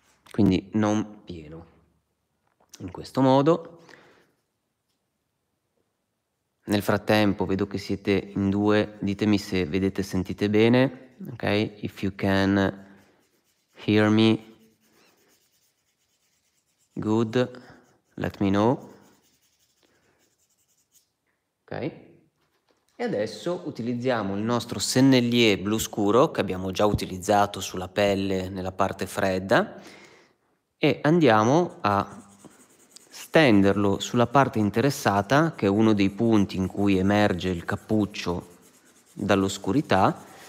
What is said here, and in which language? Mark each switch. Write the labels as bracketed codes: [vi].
[it] Quindi non pieno. In questo modo. Nel frattempo vedo che siete in due, ditemi se vedete e sentite bene. Ok? [en] If you can hear me good, let me know. [it] Ok? E adesso utilizziamo il nostro sennelier blu scuro che abbiamo già utilizzato sulla pelle nella parte fredda. E andiamo a stenderlo sulla parte interessata, che è uno dei punti in cui emerge il cappuccio dall'oscurità.